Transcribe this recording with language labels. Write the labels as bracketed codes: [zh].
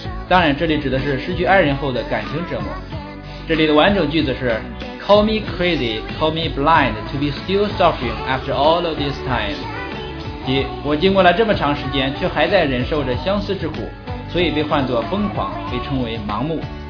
[zh] 当然，这里指的是失去爱人后的感情折磨。这里的完整句子是 [en] ：Call me crazy, call me blind to be still suffering after all of this time。 [zh] 即我经过了这么长时间，却还在忍受着相思之苦，所以被唤作疯狂，被称为盲目。